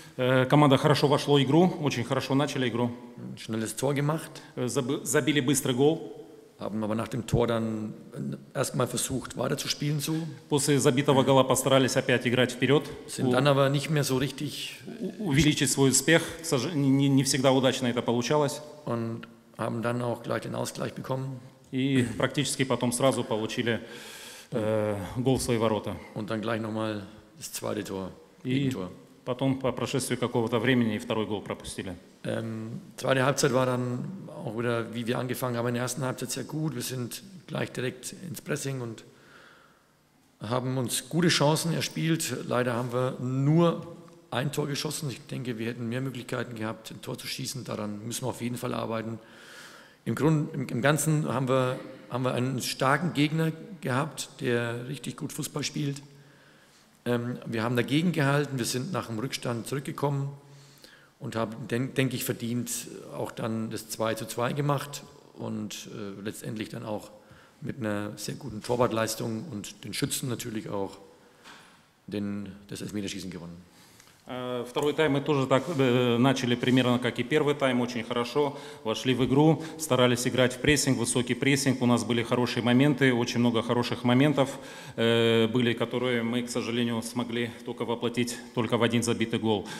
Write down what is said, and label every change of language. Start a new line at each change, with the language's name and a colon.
Russian: Команда хорошо вошла в игру, очень хорошо начали игру.
German: Schnelles Tor gemacht.
Russian: Забили быстрый гол.
German: Haben aber nach dem Tor dann erstmal versucht, weiter zu spielen so.
Russian: После забитого гола постарались опять играть вперед.
German: Sind dann aber nicht mehr so richtig.
Russian: Увеличить свой успех, не всегда удачно это получалось.
German: Und haben dann auch gleich den Ausgleich bekommen.
Russian: И практически потом сразу получили гол в свои ворота.
German: Und dann gleich nochmal das zweite Tor.
Russian: И потом, по прошествии какого-то времени, и второй гол пропустили.
German: Zweite Halbzeit war dann auch wieder, wie wir angefangen haben, in der ersten Halbzeit sehr gut. Wir sind gleich direkt ins Pressing und haben uns gute Chancen erspielt. Leider haben wir nur ein Tor geschossen. Ich denke, wir hätten mehr Möglichkeiten gehabt, ein Tor zu schießen. Daran müssen wir auf jeden Fall arbeiten. Im Ganzen haben wir einen starken Gegner gehabt, der richtig gut Fußball spielt. Wir haben dagegen gehalten, wir sind nach dem Rückstand zurückgekommen und haben, denke ich, verdient auch dann das 2:2 gemacht und letztendlich dann auch mit einer sehr guten Torwartleistung und den Schützen natürlich auch das Elfmeterschießen gewonnen.
Russian: Второй тайм мы тоже так начали примерно, как и первый тайм, очень хорошо вошли в игру, старались играть в прессинг, высокий прессинг, у нас были хорошие моменты, очень много хороших моментов были, которые мы, к сожалению, смогли только воплотить только в один забитый гол.